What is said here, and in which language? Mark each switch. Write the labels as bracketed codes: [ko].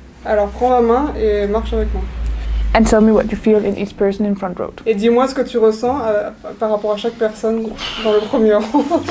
[fr] Alors prends ma main et marche avec moi. [en] And tell me what you feel in each person in front row. [fr] Et dis-moi ce que tu ressens par rapport à chaque personne dans le premier rang.